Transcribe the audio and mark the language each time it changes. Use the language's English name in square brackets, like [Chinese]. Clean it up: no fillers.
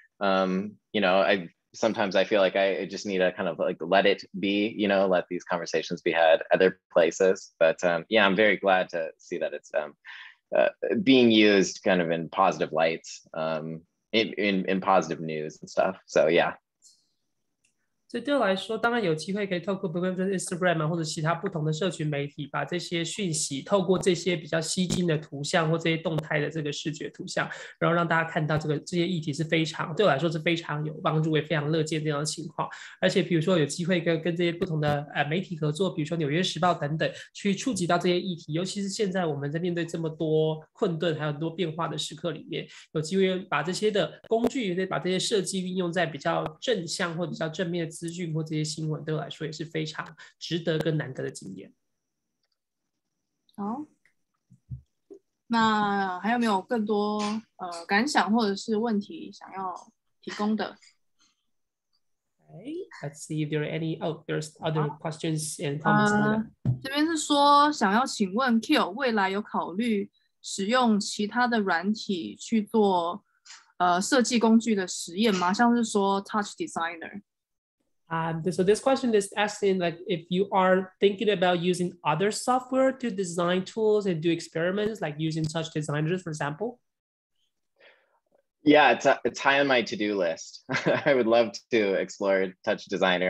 [English] You know, I sometimes feel like I just need to kind of like let it be, you know, let these conversations be had other places. But yeah, I'm very glad to see that it's being used kind of in positive lights, in positive news and stuff. So yeah. [Chinese] 所以对我来说，当然有机会可以透过不论是 Instagram 或者其他不同的社群媒体，把这些讯息透过这些比较吸睛的图像或这些动态的这个视觉图像，然后让大家看到这些议题是非常对我来说是非常有帮助，也非常乐见这样的情况。而且比如说有机会跟这些不同的媒体合作，比如说《纽约时报》等等，去触及到这些议题，尤其是现在我们在面对这么多困顿还有很多变化的时刻里面，有机会把这些的工具，把这些设计运用在比较正向或者比较正面的资讯或这些新闻，对我来说也是非常值得跟难得的经验。好，那还有没有更多感想或者是问题想要提供的？ [English] Okay, let's see if there are any. Oh, there's other questions and comments. [Chinese] 这边是说想要请问 Kiel 未来有考虑使用其他的软体去做设计工具的实验吗？像是说 Touch Designer。 [English] So this question is asking like if you are thinking about using other software to design tools and do experiments, like using touch designers, for example. Yeah, it's high on my to-do list. I would love to explore touch designer.